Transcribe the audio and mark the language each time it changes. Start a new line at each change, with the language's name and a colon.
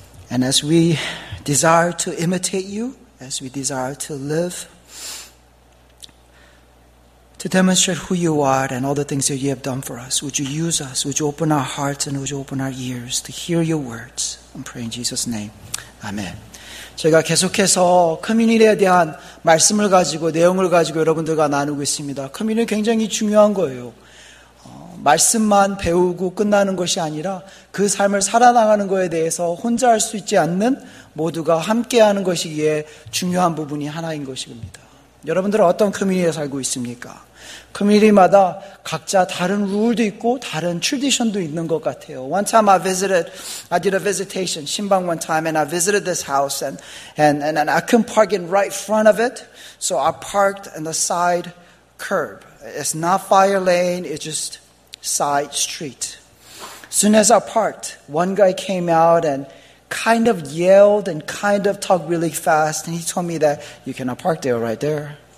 English: And as we desire to imitate you, as we desire to live, to demonstrate who you are and all the things that you have done for us, would you use us, would you open our hearts and would you open our ears to hear your words? I pray in Jesus' name. Amen.
Korean: 제가 계속해서 커뮤니티에 대한 말씀을 가지고 내용을 가지고 여러분들과 나누고 있습니다. 커뮤니티 굉장히 중요한 거예요. 말씀만 배우고 끝나는 것이 아니라 그 삶을 살아나가는 것에 대해서 혼자 할 수 있지 않는 모두가 함께하는 것이기에 중요한 부분이 하나인 것입니다. 여러분들은 어떤 커뮤니티에 살고 있습니까? 커뮤니티마다 각자 다른 룰도 있고 다른 트레디션도 있는 것 같아요.
English: One time I did a visitation
Korean: 신방
English: one time and I visited this house and I couldn't park in right front of it, so I parked on the side curb. It's not fire lane, it's just side street. Soon as I parked, one guy came out and kind of yelled and kind of talked really fast, and he told me that you cannot park there right there.